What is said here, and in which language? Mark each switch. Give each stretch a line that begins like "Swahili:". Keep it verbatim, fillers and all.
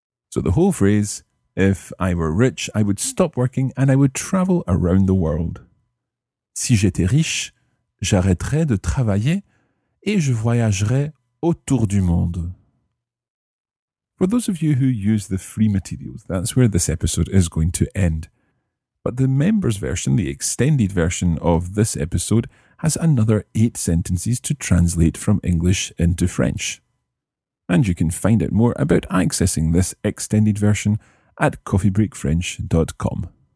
English: So the whole phrase, if I were rich, I would stop working and I would travel around the world.
French: Si j'étais riche, j'arrêterais de travailler et je voyagerais autour du monde.
English: For those of you who use the free materials, that's where this episode is going to end. But the members version, the extended version of this episode, has another eight sentences to translate from English into French. And you can find out more about accessing this extended version at coffee break french dot com.